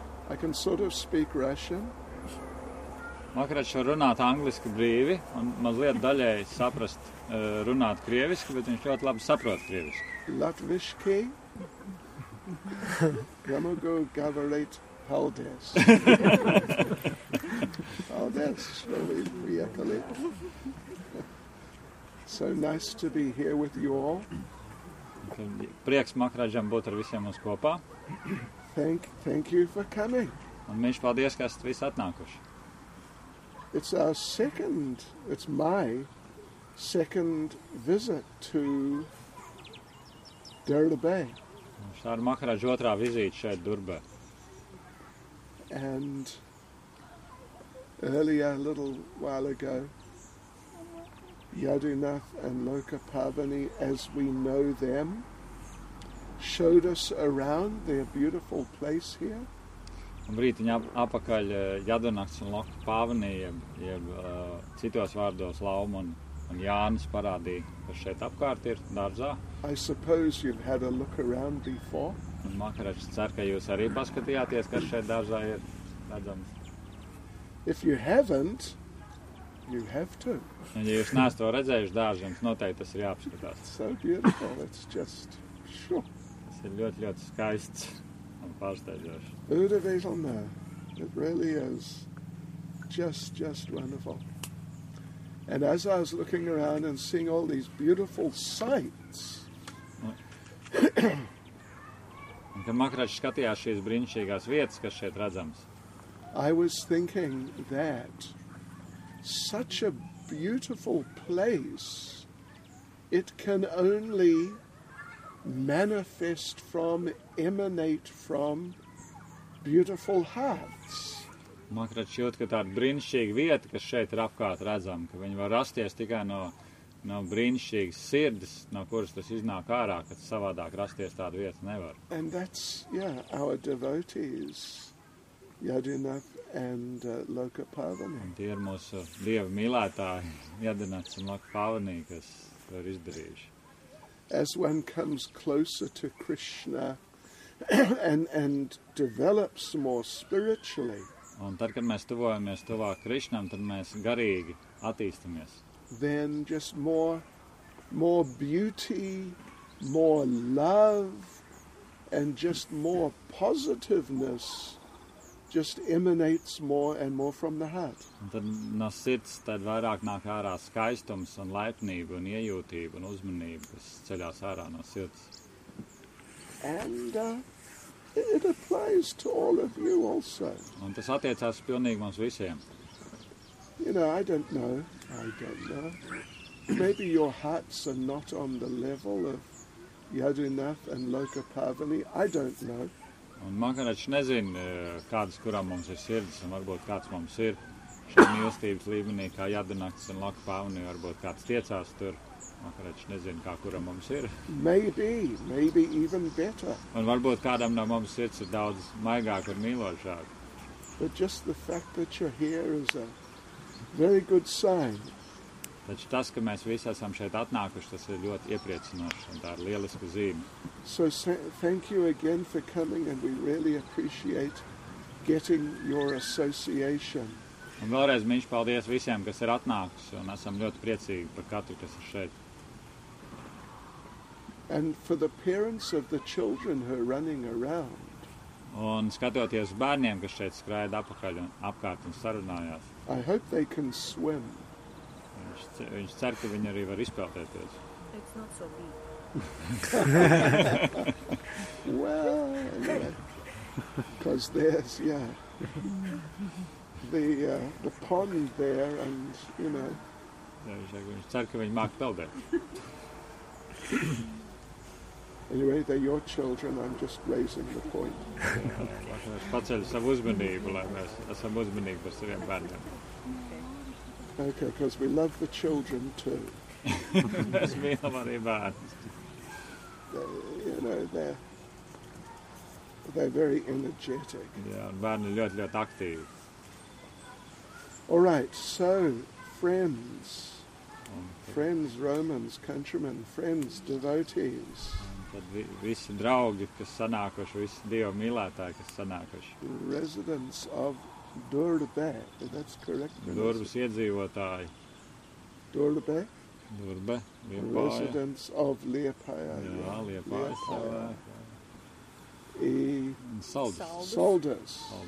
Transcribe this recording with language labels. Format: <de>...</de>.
<en>I can sort of speak Russian.</en> <lv>Makarač var runāt angliski brīvi un mazliet daļēji saprast runāt krieviski, bet viņš ļoti labi saprot krieviski. Latviški.</lv> <ru>Я могу говорить Paldies. Paldies, что вы приехали.</ru> <en>So nice to be here with you all.</en> <lv>Prieks Makrādžam būt ar visiem mums kopā.</lv> <en>Thank you for coming.</en> <lv>Un mēs paldies, ka esat visi atnākuši.</lv> <en>It's our second, it's my second visit to Durba Bay.</en> <lv>Tā ir Makrādža otrā vizīte šeit Durbē.</lv> <en>And earlier, a little while ago, Yadunath and Lokapavani, as we know them, showed us around their beautiful place here.</en> <lv>Un brītiņ apakaļ Yadunaths un Lokapavani, citos vārdos Lauma un Jānis parādīja, kas šeit apkārt ir dārzā.</lv> <en>I suppose you've had a look around before.</en> <lv>Un Makrādža cer, ka jūs arī paskatījāties, kas šeit dārzā ir.</lv> <en>If you haven't, you have to.</en> <lv>Ja jūs neesat to redzējuši dārzi, jums noteikti tas ir jāapskatās.</lv> <en>So beautiful, it's just sure.</en> <lv>Tas ir ļoti, ļoti skaists un pārsteidzoši.</lv> <en>Udavēlnā, it really is just wonderful. And as I was looking around and seeing all these beautiful sights,</en> <lv>un kad Makrādža skatījās šīs brīnišķīgās vietas, kas šeit redzams,</lv> <en>I was thinking that such a beautiful place, it can only manifest from, emanate from beautiful hearts.</en> <lv>Makrādža jūt, ka tāda brīnišķīga vieta, kas šeit ir apkārt redzama, ka viņa var rasties tikai no brīnišķīgas sirdes, no kuras tas iznāk ārā, ka savādāk rasties tādu vietu nevar.</lv> <en>And that's, yeah, our devotees, Yadunath, and Lokapavani.</en> <lv>Un tie ir mūsu dieva mīlētāji, Yadunaths un Lokapavani, kas to ir izdarījuši.</lv> <en>As one comes closer to Krishna and develops more spiritually,</en> <lv>un tad, kad mēs tuvojamies tuvāk Krišnam, tad mēs garīgi attīstamies.</lv> <en>Then just more beauty, more love, and just more positiveness just emanates more and more from the heart.</en> <lv>Un tad no sirds tad vairāk nāk ārā skaistums un laipnība un iejūtība un uzmanība, kas ceļās ārā no sirds.</lv> <en>And it applies to all of you also.</en> <lv>Un tas attiecās pilnīgi mums visiem.</lv> <en>You know, I don't know. Maybe your hearts are not on the level of Yadunath and Lokapavani. I don't know.</en> <lv>Un Makrādža nezin, kādas, kurām mums ir sirds, un varbūt kāds mums ir šī mīlestības līmenī, kā Yadunaths un Lokapavani, varbūt kāds tiecās tur. Makrādža nezin, kā kura mums ir.</lv> <en>Maybe even better.</en> <lv>Un varbūt kādam no mums sirds ir daudz maigāk un mīlošāk.</lv> <en>But just the fact that you're here is a very good sign.</en> <lv>Taču tas, ka mēs visi esam šeit atnākuši, tas ir ļoti iepriecinoši, un tā ir lieliska zīme.</lv> <en>So thank you again for coming, and we really appreciate getting your association.</en> <lv>Un vēlreiz mīļš paldies visiem, kas ir atnākuši, un esam ļoti priecīgi par katru, kas ir šeit.</lv> <en>And for the parents of the children who are running around.</en> <lv>Un skatoties bērniem, kas šeit skraida apakaļ un apkārt un sarunājās.</lv> <en>I hope they can swim.</en> <lv>Viņš cer, ka viņi arī var izpeltēties.</lv> <en>It's not so deep. Well, because there's, yeah, the pond there, and, you know.</en> <lv>Viņš cer, ka viņi māk peldēt.</lv> <en>Anyway, they're your children, I'm just raising the point.</en> <lv>Es paceļu savu uzmanību, lai mēs esam uzmanīgi par saviem bērniem.</lv> <en>Okay, because we love the children too. That's me, I'm on your mind. You know, they're very energetic. Yeah, and</en> <lv>bērni ļoti, ļoti aktīvi.</lv> <en>All right, so friends, friends, Romans, countrymen, friends, devotees.</en> <lv>Tad visi draugi, kas sanākoši, visi Dieva mīlētāji, kas sanākoši.</lv> <en>Residents of Durbe, that's correct.</en> <lv>Durbes iedzīvotāji. Durbe? Durbe, Liepāja.</lv> <en>Residents of Liepāja.</en> <lv>Jā, Liepāja.</lv> <en>I</en> <lv>Soldes. Soldes.</lv>